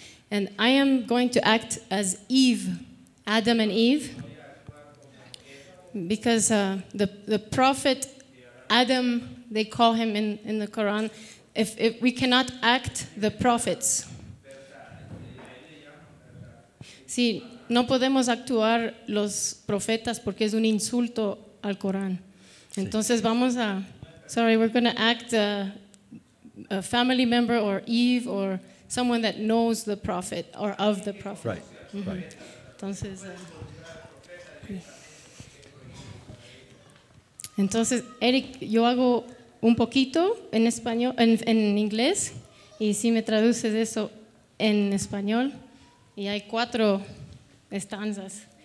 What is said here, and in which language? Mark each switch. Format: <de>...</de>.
<en>And I am going to act as Eve, Adam and Eve. Because the prophet Adam, they call him in the Quran, if we cannot act the prophets.</en> <es>Si, no podemos actuar los profetas porque es un insulto al Corán. Entonces vamos a,</es> <en>sorry, we're going to act a family member or Eve or someone that knows the prophet or of the prophet. Right, mm-hmm. Right.</en> <es>Entonces, entonces, Eric, yo hago un poquito en español, en inglés, y si me traduces eso en español, y hay cuatro estanzas.</es>